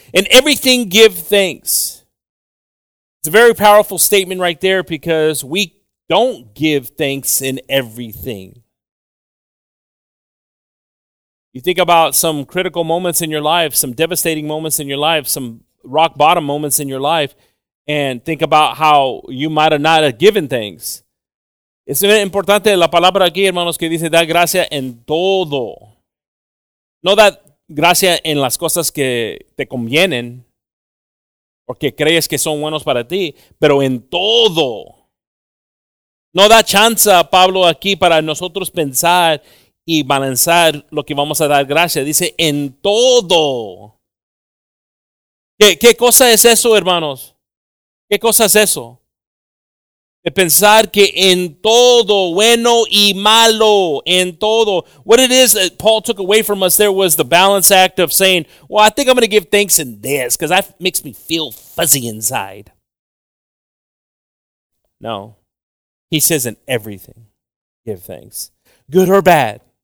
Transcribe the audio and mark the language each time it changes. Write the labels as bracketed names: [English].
[English] In everything give thanks. It's a very powerful statement right there, because we don't give thanks in everything. You think about some critical moments in your life, some devastating moments in your life, some rock bottom moments in your life, and think about how you might have not have given thanks. [Spanish] Es importante la palabra aquí, hermanos, que dice dar gracias en todo. No dar gracias en las cosas que te convienen o que crees que son buenos para ti, pero en todo. No da chance, Pablo, aquí para nosotros pensar y balancear lo que vamos a dar gracias. Dice, en todo. ¿Qué cosa es eso, hermanos? ¿Qué cosa es eso? De pensar que en todo, bueno y malo, en todo. [English] What it is that Paul took away from us there was the balance act of saying, well, I think I'm going to give thanks in this because that makes me feel fuzzy inside. No. He says in everything, give thanks. Good or bad.